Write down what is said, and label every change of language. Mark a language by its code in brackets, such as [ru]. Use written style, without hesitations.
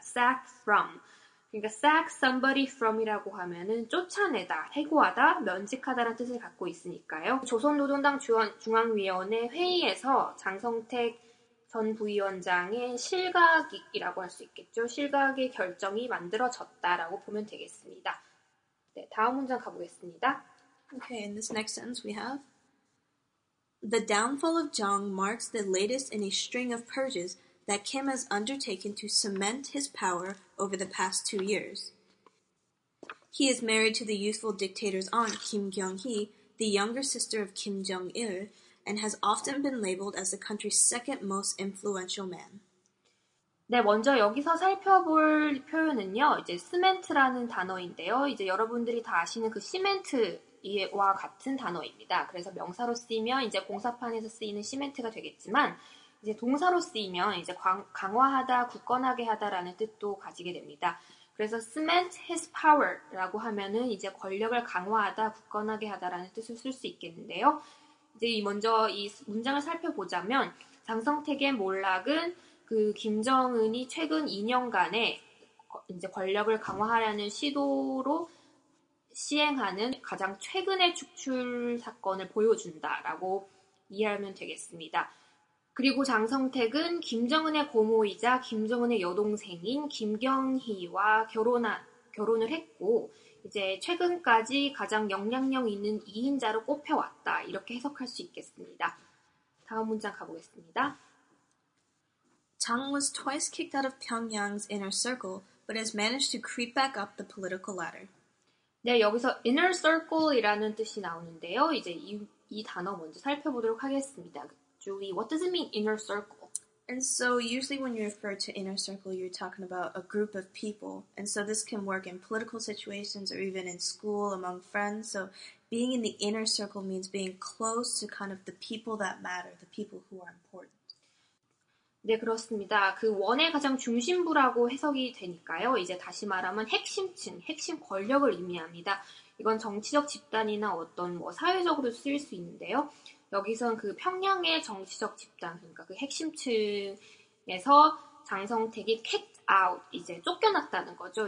[ko] Sack from. 그러니까 sack somebody from이라고 하면은 쫓아내다, 해고하다, 면직하다라는 뜻을 갖고 있으니까요. 조선노동당 중앙위원회 회의에서 장성택 전 부위원장의 실각이라고 할 수 있겠죠. 실각의 결정이 만들어졌다라고 보면 되겠습니다. 네, 다음 문장 가보겠습니다. [en] Okay, in this next sentence we have The downfall of Zhang marks the latest in a string of purges that Kim has undertaken to cement his power over the past 2 years. He is married to the youthful dictator's aunt, Kim Kyung-hee, the younger sister of Kim Jong-il, and has often been labeled as the country's second most influential man. [ko] 네, 먼저 여기서 살펴볼 표현은요, 이제 cement라는 단어인데요, 이제 여러분들이 다 아시는 그 시멘트와 같은 단어입니다. 그래서 명사로 쓰이면 이제 공사판에서 쓰이는 시멘트가 되겠지만, 이제 동사로 쓰이면 이제 강화하다, 굳건하게 하다라는 뜻도 가지게 됩니다. 그래서 [en] cement his power [ko] 라고 하면은 이제 권력을 강화하다, 굳건하게 하다라는 뜻을 쓸 수 있겠는데요. 이제 먼저 이 문장을 살펴보자면 장성택의 몰락은 그 김정은이 최근 2년간에 이제 권력을 강화하려는 시도로 시행하는 가장 최근의 축출 사건을 보여준다라고 이해하면 되겠습니다. 그리고 장성택은 김정은의 고모이자 김정은의 여동생인 김경희와 결혼을 했고 이제 최근까지 가장 영향력 있는 2인자로 꼽혀왔다 이렇게 해석할 수 있겠습니다. 다음 문장 가보겠습니다. [en] Zhang was twice kicked out of Pyongyang's inner circle, but has managed to creep back up the political ladder. [ko] 네, 여기서 inner circle이라는 뜻이 나오는데요. 이제 이 단어 먼저 살펴보도록 하겠습니다. [en] Julie, what does it mean, inner circle? And so usually when you refer to inner circle, you're talking about a group of people. And so this can work in political situations or even in school, among friends. So being in the inner circle means being close to kind of the people that matter, the people who are important. [ko] 네, 그렇습니다. 그 원의 가장 중심부라고 해석이 되니까요. 이제 다시 말하면 핵심층, 핵심 권력을 의미합니다. 이건 정치적 집단이나 어떤 뭐 사회적으로 쓰일 수 있는데요. 여기선 그 평양의 정치적 집단, 그러니까 그 핵심층에서 장성택이 kicked out, 이제 쫓겨났다는 거죠.